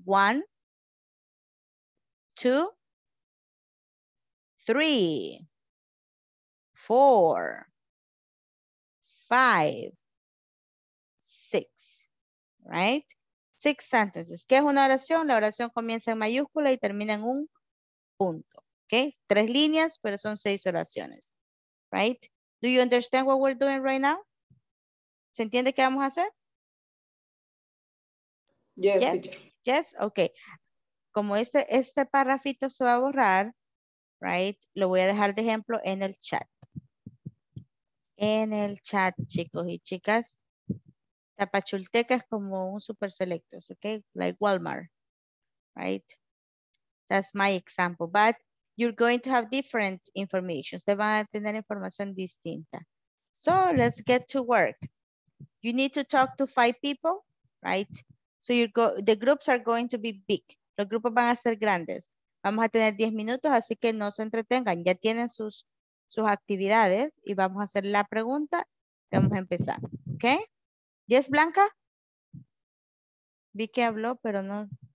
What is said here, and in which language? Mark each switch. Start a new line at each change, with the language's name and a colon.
English: 1, 2, 3, 4, 5, 6, right? 6 sentences.
Spanish: ¿Qué es una oración? La oración comienza en mayúscula y termina en un punto. Okay? 3 líneas, pero son 6 oraciones. Right?
English: Do you understand what we're doing right now?
Spanish: ¿Se entiende qué vamos a hacer?
English: Yes.
Spanish: Yes? Okay. Como este párrafito se va a borrar, right? Lo voy a dejar de ejemplo en el chat. En el chat, chicos y chicas. Tapachulteca es como un super selecto, okay?
English: Like Walmart, right? That's my example. But you're going to have different information.
Spanish: Ustedes van a tener información distinta.
English: So let's get to work. You need to talk to 5 people, right? So the groups are going to be big.
Spanish: Los grupos van a ser grandes. Vamos a tener 10 minutos, así que no se entretengan. Ya tienen sus actividades y vamos a hacer la pregunta. Vamos a empezar, okay? ¿Yes, Blanca? Vi que habló, pero no.